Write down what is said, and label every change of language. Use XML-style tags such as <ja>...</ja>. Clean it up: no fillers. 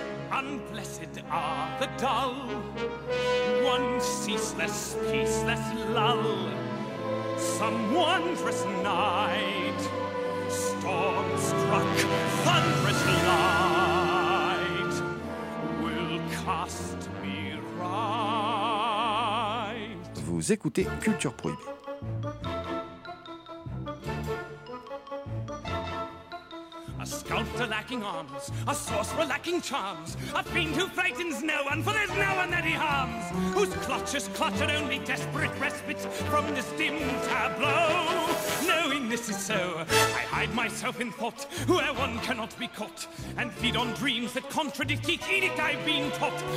<en>Unblessed are the dull, one ceaseless, peaceless lull, some wondrous night, storm-struck, thunderous light, will cast me right.</en> <fr>Vous écoutez Culture Prohibée.</fr> <en>A sculptor lacking arms, a sorcerer lacking charms, a fiend who frightens no one, for there's no one that he harms, whose clutches clutter only desperate respite from this dim tableau. Knowing this is so, I hide myself in thought, where one cannot be caught, and feed on dreams that contradict each edict I've been taught.</en>